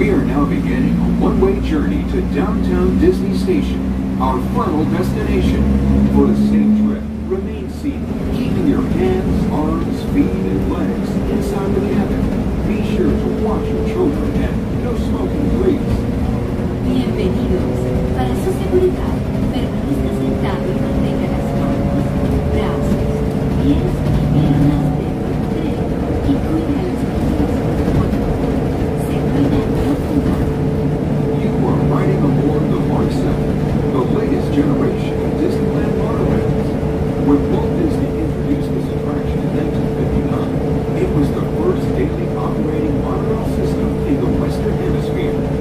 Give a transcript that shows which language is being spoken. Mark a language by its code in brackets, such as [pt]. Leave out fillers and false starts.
[en] We are now beginning a one-way journey to downtown Disney Station, our final destination. For the safe trip, remain seated, keeping your hands, arms, feet, and legs inside the cabin. Be sure to watch your children and no smoking, please. [es] Bienvenidos. Para su seguridad, permanezca sentado y mantenga las manos, brazos, pies y piernas dentro del tren y cuide los pies. Por favor, se cuida no fumar. [en] You are riding aboard the Mark 7, the latest generation of Disneyland monorails. When Walt Disney introduced this attraction in 1959, it was the first daily operating monorail system in the Western Hemisphere.